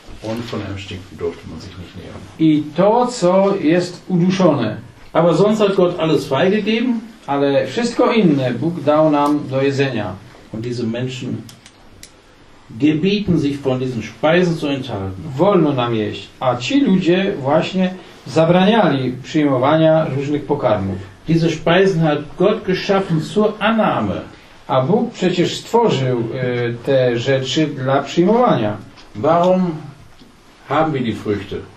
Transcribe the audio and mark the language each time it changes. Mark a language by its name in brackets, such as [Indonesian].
[German] Und von einem Stinken durfte man sich nicht nähern. [Polish] I to, co jest uduszone. [German] Aber sonst hat Gott alles freigegeben. [Polish] Ale wszystko inne Bóg dał nam do jedzenia. [German] Und diese Menschen gebieten sich von diesen Speisen zu enthalten. [Polish] Wolno nam jeść. A ci ludzie właśnie zabraniali przyjmowania różnych pokarmów. [German] Diese Speisen hat Gott geschaffen zur Annahme. [Polish] A Bóg przecież stworzył te rzeczy dla przyjmowania. [German] Warum haben wir die Früchte?